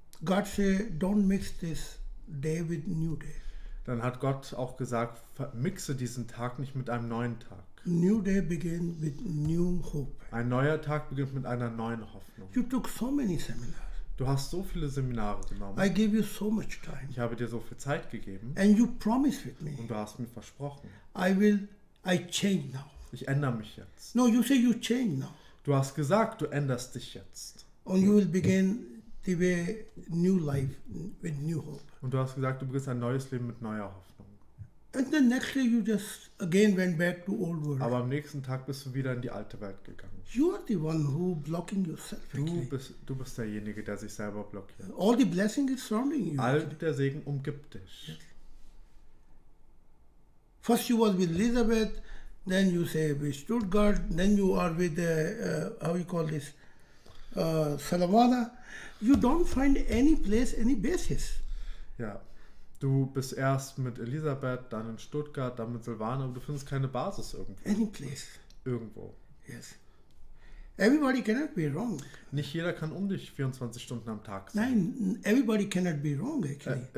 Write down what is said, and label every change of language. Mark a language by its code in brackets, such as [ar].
[en] God say, don't mix this day with new day. [de] Dann hat Gott auch gesagt, vermixe diesen Tag nicht mit einem neuen Tag. [en] New day begin with new hope. [de] Ein neuer Tag beginnt mit einer neuen Hoffnung. [en] You took so many seminars. [de] Du hast so viele Seminare genommen. [en] I gave you so much time. [de] Ich habe dir so viel Zeit gegeben. [en] And you promised with me. [de] Und du hast mir versprochen. [en] I change now. [de] Ich ändere mich jetzt. [en] No, you say you change now. [de] Du hast gesagt, du änderst dich jetzt. [en] And you will begin the way new life with new hope. [de] Und du hast gesagt, du beginnst ein neues Leben mit neuer Hoffnung. [en] And the next day you just again went back to old world. [de] Aber am nächsten Tag bist du wieder in die alte Welt gegangen. [en] You are the one who blocking yourself. [de] Du bist derjenige, der sich selber blockiert. [en] All the blessing is surrounding you. [de] All der Segen umgibt dich. [en] Yes. First you were with Elizabeth, then you say with Stuttgart, then you are with the how you call this Salamana. You don't find any place, any basis. [de] Ja, du bist erst mit Elisabeth, dann in Stuttgart, dann mit Silvana, aber du findest keine Basis irgendwo. [en] Any place. [de] Irgendwo. [en] Yes. Everybody cannot be wrong. [de] Nicht jeder kann um dich 24 Stunden am Tag sein. [en] Nein, everybody cannot be wrong, actually.